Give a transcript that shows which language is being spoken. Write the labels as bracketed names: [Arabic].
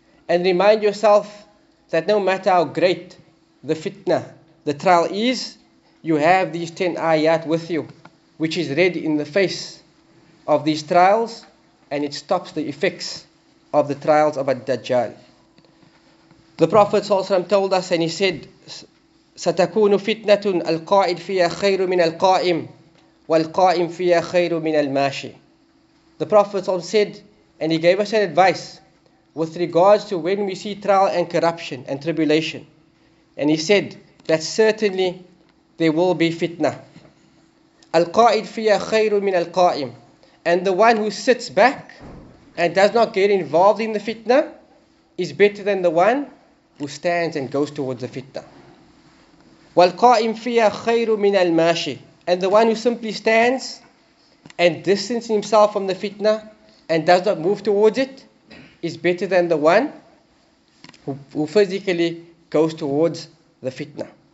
[English] And remind yourself that no matter how great the fitna, the trial is, you have these 10 ayat with you, which is read in the face of these trials, and it stops the effects of the trials of Ad-Dajjal. The Prophet ﷺ told us, and he said, [Arabic] ستكون فتنة القائد فيها خير من القائم والقائم فيها خير من الماشي. [English] The Prophet ﷺ said, and he gave us an advice with regards to when we see trial and corruption and tribulation. And he said that certainly there will be fitna. [Arabic] القائد فيها خير من القائم. [English] And the one who sits back and does not get involved in the fitna is better than the one who stands and goes towards the fitna. [Arabic] وَالْقَائِمْ فِيَا خَيْرُ مِنَ الْمَاشِي. [English] And the one who simply stands and distances himself from the fitna and does not move towards it is better than the one who physically goes towards the fitna.